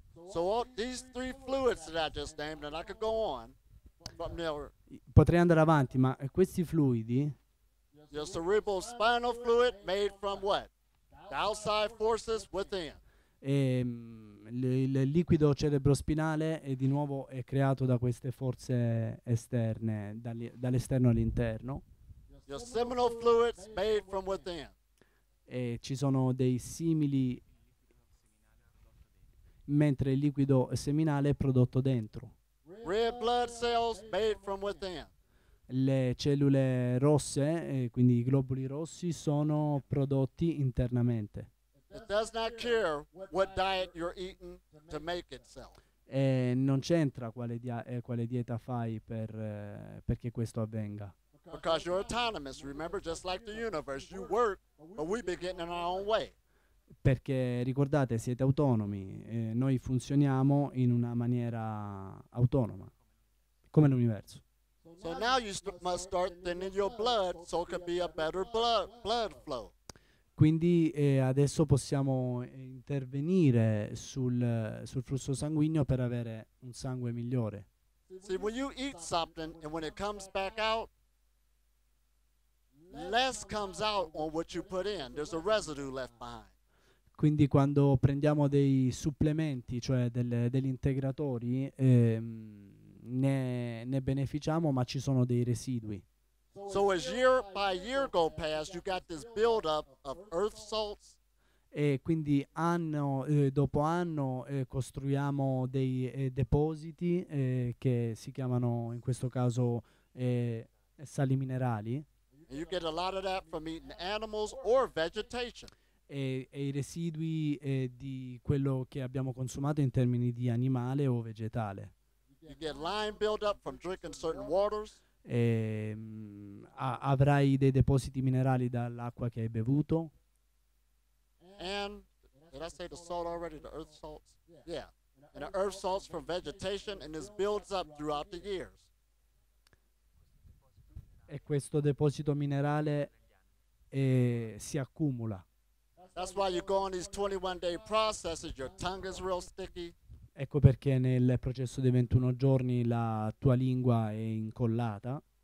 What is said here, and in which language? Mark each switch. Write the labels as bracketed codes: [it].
[en] So all these three fluids that I just named, and I could go on, but never. [it] Potrei andare avanti, ma questi fluidi. [en] The cerebral spinal fluid made from what? The outside forces within. [it] Il liquido cerebrospinale è di nuovo è creato da queste forze esterne, dall'esterno all'interno. [en] Your seminal fluids made from within. [it] E ci sono dei simili, mentre il liquido seminale è prodotto dentro. [en] Red blood cells made from within. [it] Le cellule rosse, quindi i globuli rossi, sono prodotti internamente. [en] It does not care what diet you're eating to make itself. [it] E non c'entra quale dieta fai perché questo avvenga. [en] Because you're autonomous, remember, just like the universe, you work, but we be getting in our own way. [it] Perché ricordate, siete autonomi, noi funzioniamo in una maniera autonoma, come l'universo. [en] So now you must start thinning your blood so it can be a better blood flow. [it] Quindi adesso possiamo intervenire sul flusso sanguigno per avere un sangue migliore. [en] See, when you eat something and when it comes back out, less comes out on what you put in. There's a residue left behind. [it] Quindi quando prendiamo dei supplementi, cioè degli integratori, ne beneficiamo, ma ci sono dei residui. [en] So as year by year go past, you got this buildup of earth salts. [it] E quindi anno dopo anno costruiamo dei depositi che si chiamano in questo caso sali minerali. [en] And you get a lot of that from eating animals or vegetation. [it] E i residui di quello che abbiamo consumato in termini di animale o vegetale. [en] You get lime buildup from drinking certain waters. [it] E, avrai dei depositi minerali dall'acqua che hai bevuto. [en] And did I say the salt already? The earth salts? Yeah. And the earth salts from vegetation, and this builds up throughout the years. [it] E questo deposito minerale si accumula. [en] That's why you go on these 21-day processes, your tongue is real sticky. [it] Ecco perché nel processo dei 21 giorni la tua lingua è incollata.